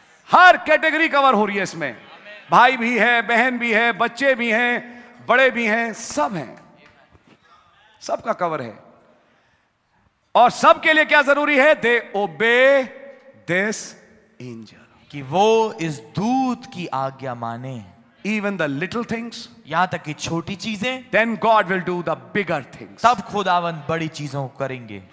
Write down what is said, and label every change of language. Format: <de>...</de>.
<hi>हर category cover हो रही है इसमें. भाई भी है, बहन भी है, बच्चे भी हैं, बड़े भी हैं, सब हैं, सबका कवर है. और सबके लिए क्या जरूरी है?</hi> <en>they obey this angel,</en> <hi>कि वो इस दूत की आज्ञा माने.</hi> <en>Even the little things,</en> <hi>यहां तक कि छोटी चीजें.</hi> <en>Then God will do the bigger things,</en> <hi>तब खुदावन बड़ी चीजों करेंगे.</hi>